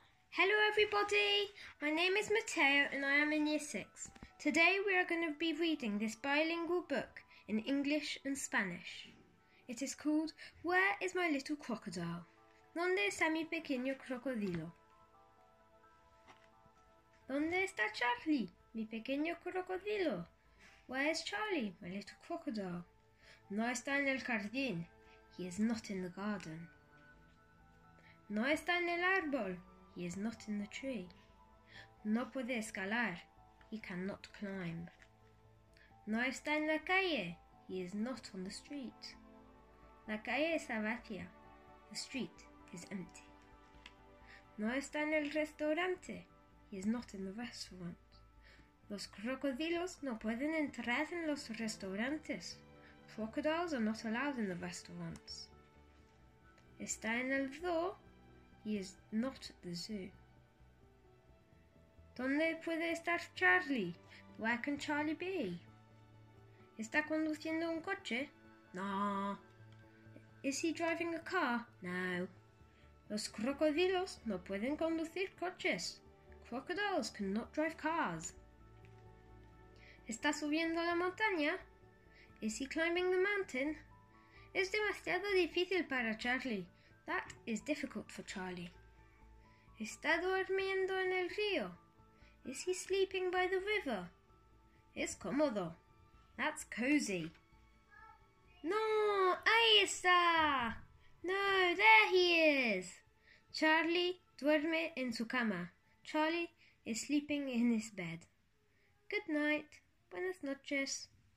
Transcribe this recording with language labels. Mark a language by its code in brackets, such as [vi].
[en] Hello everybody, my name is Mateo and I am in Year 6. Today we are going to be reading this bilingual book in English and Spanish. It is called Where is My Little Crocodile? [es] ¿Dónde está mi pequeño crocodilo? ¿Dónde está Charlie, mi pequeño crocodilo? [en] Where is Charlie, my little crocodile? [es] No está en el jardín, [en] he is not in the garden. [es] No está en el árbol. [en] He is not in the tree. [es] No puede escalar. [en] He cannot climb. [es] No está en la calle. [en] He is not on the street. [es] La calle está vacía. [en] The street is empty. [es] No está en el restaurante. [en] He is not in the restaurant. [es] Los crocodilos no pueden entrar en los restaurantes. [en] Crocodiles are not allowed in the restaurants. [es] Está en el zoo. [en] He is not at the zoo. [es] ¿Dónde puede estar Charlie? [en] Where can Charlie be? [es] ¿Está conduciendo un coche? No. [en] Is he driving a car? No. [es] Los crocodilos no pueden conducir coches. [en] Crocodiles cannot drive cars. [es] ¿Está subiendo la montaña? [en] Is he climbing the mountain? [es] Es demasiado difícil para Charlie. [en] That is difficult for Charlie. [es] ¿Está durmiendo en el río? [en] Is he sleeping by the river? [es] Es cómodo. [en] That's cozy. [es] No, ahí está. [en] No, there he is. [es] Charlie duerme en su cama. [en] Charlie is sleeping in his bed. Good night. [es] Buenas noches.